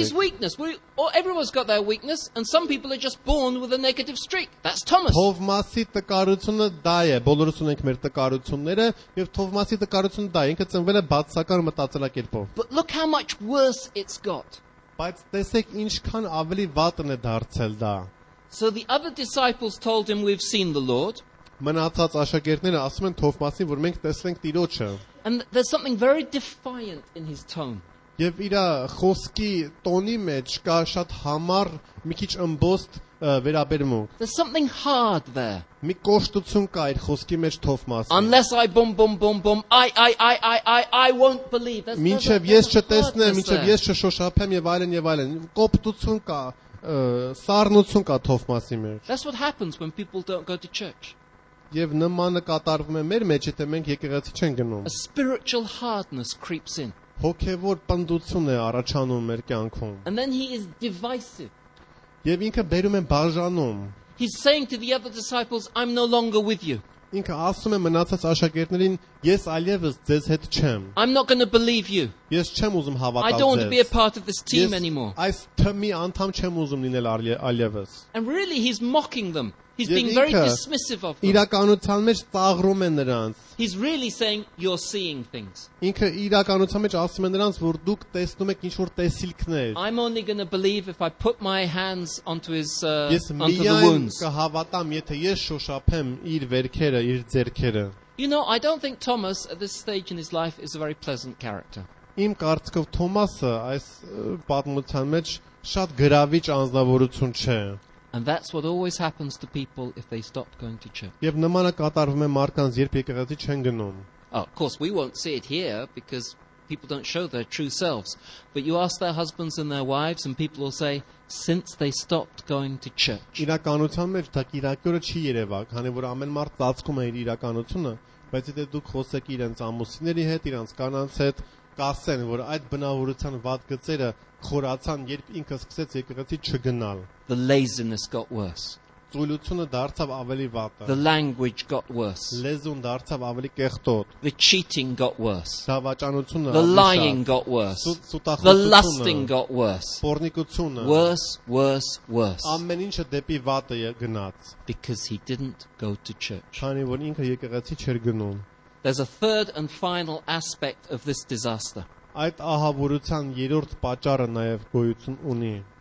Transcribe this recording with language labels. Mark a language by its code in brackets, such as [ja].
[en] That's his weakness. Everyone's got their weakness and some people are just born with a negative streak. That's Thomas. [hy] Թովմասի տկարությունը դա է։ Բոլորս ունենք մեր տկարությունները եւ Թովմասի տկարությունը դա է։ Ինքը ծնվել է բացասական մտածելակերպով։ [en] But look how much worse it's got. [hy] Բայց տեսեք ինչքան ավելի վատն է դարձել դա։ [en] So the other disciples told him we've seen the Lord. [hy] Մնացած աշակերտները ասում են Թովմասին, որ մենք տեսել ենք Տիրոջը։ [en] And there's something very defiant in his tone. [hy] Եվ իր խոսքի տոնի մեջ կա շատ համառ, մի քիչ ըմբոստ վերաբերմունք։ [en] There's something hard there. [hy] Մի կոշտություն կա իր խոսքի մեջ Թովմասին։ [en] Unless I boom boom boom boom I won't believe. [hy] Մինչև ես չտեսնեմ, մինչև ես չշոշափեմ եւ այլն եւ այլն, կոպտություն կա, սառնություն կա Թովմասի մեջ։ [en] That's what happens when people don't go to church. [hy] Եվ նմանը կատարվում է մեր մեջ, եթե մենք եկեղեցի չենք գնում։ [en] A spiritual hardness creeps in. [hy] Հոգևոր պնդություն է առաջանում մեր կյանքում։ [en] And then he is divisive. [hy] Եվ ինքը բերում է բաժանում։ [en] He's saying to the other disciples, I'm no longer with you. [hy] Ինքը ասում է մնացած աշակերտներին, ես այլևս ձեզ հետ չեմ։ [en] I'm not going to believe you. [hy] Ես չեմ ուզում հավատալ ձեզ։ [en] I don't want to be a part of this team anymore. [hy] Այս թիմի անդամ չեմ ուզում լինել այլևս։ [en] And really he's mocking them. He's being very dismissive of them. [hy] Իրականության մեջ ծաղրում է նրանց։ [en] He's really saying you're seeing things. [hy] Ինքը իրականության մեջ ասում է նրանց, որ դուք տեսնում եք ինչ-որ տեսիլքներ։ [en] I'm only going to believe if I put my hands onto his onto the wounds. [hy] Ես կհավատամ, եթե ես շոշափեմ իր վերքերը, իր ձեռքերը։ [en] You know, I don't think Thomas at this stage in his life is a very pleasant character. [hy] Իմ կարծիքով Թոմասը այս պատմության մեջ շատ գրավիչ անձնավորություն չէ։ [en] And that's what always happens to people if they stop going to church. [hy] Եվ նման է կատարվում է մարդկանց, երբ եկեղեցի չեն գնում. [en] Of course we won't see it here because people don't show their true selves. But you ask their husbands and their wives and people will say since they stopped going to church. [hy] Իրականության մեջ դա իրականը չի երևա, քանի որ ամեն մարդ ծածկում է իր իրականությունը, բայց եթե դուք խոսեք իրենց ամուսինների հետ, իրենց կանանց հետ, կասեն, որ այդ բնավորության վատ գծերը խորացան, երբ ինքը սկսեց եկեղեցի չգնալ. [en] The laziness got worse. [hy] Ծույլությունը դարձավ ավելի վատը. [en] The language got worse. [hy] Լեզուն դարձավ ավելի կեղտոտ. [en] The cheating got worse. [hy] Դավաճանությունը ավելի շատ. [en] The lying got worse. [hy] Սուտախոսությունը. [en] The lusting got worse. [hy] Պորնիկությունը. [en] Worse, worse, worse. [hy] Ամեն ինչը դեպի վատը գնաց. [en] Because he didn't go to church. [hy] Քանի որ ինքը եկեղեցի չէր գնում. [en] There's a third and final aspect of this disaster. [hy] Այդ ահավորության երրորդ պատճառը նաև գոյություն ունի.